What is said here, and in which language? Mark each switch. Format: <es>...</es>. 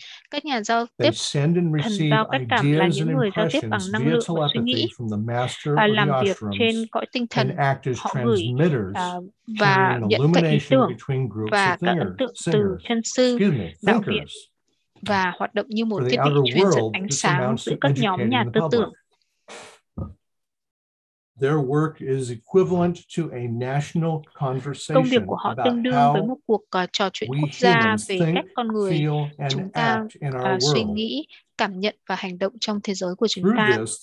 <vi>Các nhà giao tiếp thần giao cách cảm là những người giao tiếp bằng năng lượng và suy nghĩ, làm việc trên cõi tinh thần, họ gửi và nhận các ý tưởng và các ấn tượng từ chân sư, đạo viện và hoạt động như một thiết bị truyền dẫn ánh sáng giữa các nhóm nhà tư tưởng.</vi> <en>Their work is equivalent to a national conversation.</en> <vi>Công việc của họ tương đương với một cuộc trò chuyện quốc gia về cách con người chúng ta suy nghĩ, cảm nhận và hành động trong thế giới của chúng ta.</vi>